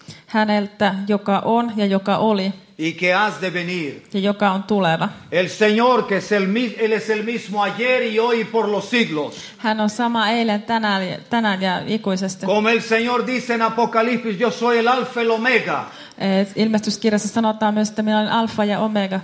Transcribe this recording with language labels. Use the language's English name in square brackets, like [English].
[Finnish] Häneltä, joka on ja joka oli. [Spanish] Y que has de venir. [Finnish] Ja joka on tuleva. [Spanish] El Señor, que es el mismo ayer y hoy por los siglos. [Finnish] Hän on sama eilen, tänään ja ikuisesti. [Spanish] Como el Señor dice en Apocalipsis, yo soy el Alfa y el Omega. [Finnish] Ilmestyskirjassa sanotaan myös, että minä olen Alfa ja Omega.